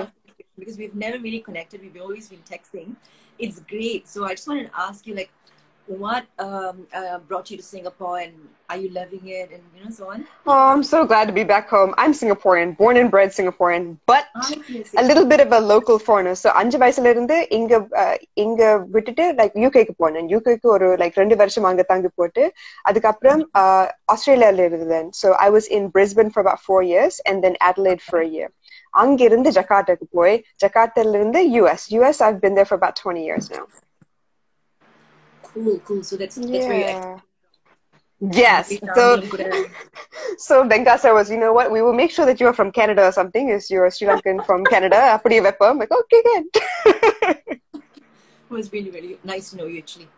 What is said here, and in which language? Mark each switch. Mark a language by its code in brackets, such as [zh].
[en] ask you because we've never really connected, we've always been texting. It's great. So I just wanted to ask you, like, what brought you to Singapore and are you loving it and you know so on? Oh, I'm so glad to be back home. I'm Singaporean, born and bred Singaporean, but I a see. little bit of a local foreigner. [ta] So, 5 வயசுல இருந்து இங்க விட்டுட்டு like யூகேக்கு போனேன். யூகேக்கு ஒரு like 2 வருஷம் அங்க தங்கி போட்டு அதுக்கப்புறம் ஆஸ்திரேலியால இருந்தேன். [en] So I was in Brisbane for about 4 years and then Adelaide for a year. [ta] அங்கிருந்து ஜகார்டாக்கு போய் ஜகார்டால இருந்து US. [en] US I've been there for about 20 years now. Cool. So that's where you actually Yeah. Yes. So good. Venka sir was, you know what, we will make sure that you are from Canada or something. Is you're a Sri Lankan from Canada, I'm like, okay, good. Was really, really nice to know you actually.